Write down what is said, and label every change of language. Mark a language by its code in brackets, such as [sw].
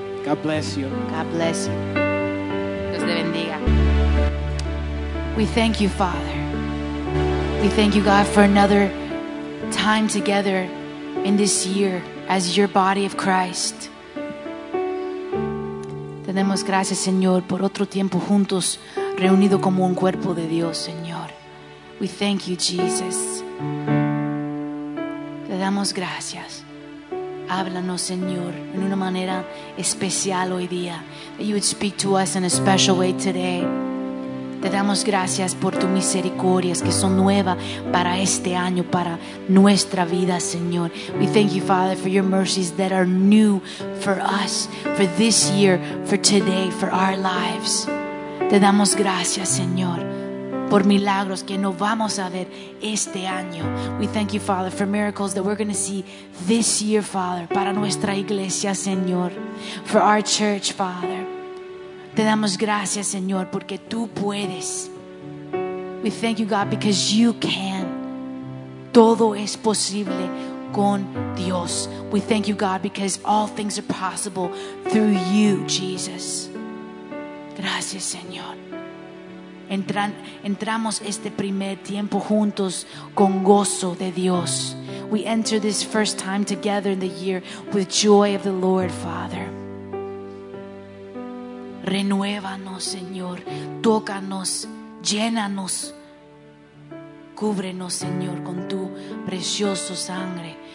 [en] God bless you. God bless you. [es] Dios te bendiga. [en] We thank you, Father. We thank you, God, for another time together in this year as your body of Christ. [es] Tenemos gracias, Señor, por otro tiempo juntos, reunido como un cuerpo de Dios, Señor. [en] We thank you, Jesus. [es] Te damos gracias. Háblanos, Señor, en una manera especial hoy día. [en] That you would speak to us in a special way today. [es] Te damos gracias por tus misericordias que son nuevas para este año, para nuestra vida, Señor. [en] We thank you, Father, for your mercies that are new for us, for this year, for today, for our lives. [es] Te damos gracias, Señor, por milagros que no vamos a ver este año. [en] We thank you, Father, for miracles that we're going to see this year, Father, [es] para nuestra iglesia, Señor, [en] for our church, Father. [es] Te damos gracias, Señor, porque tú puedes. [en] We thank you, God, because you can. [es] Todo es posible con Dios. [en] We thank you, God, because all things are possible through you, Jesus. [es] Gracias, Señor. Entramos este primer tiempo juntos con gozo de Dios. [en] We enter this first time together in the year with joy of the Lord, Father. [es] Renuévanos, Señor. Tócanos, llénanos. Cúbrenos, Señor, con tu precioso sangre.